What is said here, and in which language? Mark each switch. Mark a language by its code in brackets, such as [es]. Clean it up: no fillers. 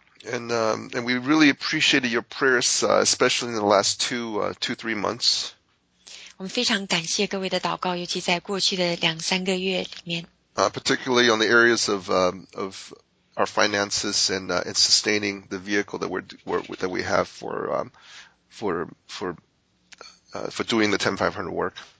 [en] And we really appreciated your prayers, especially in the last two, three months. [zh] 我们非常感谢各位的祷告，尤其在过去的两三个月里面。 [en] Particularly on the areas of our finances and sustaining the vehicle that we have for doing the 10500 work.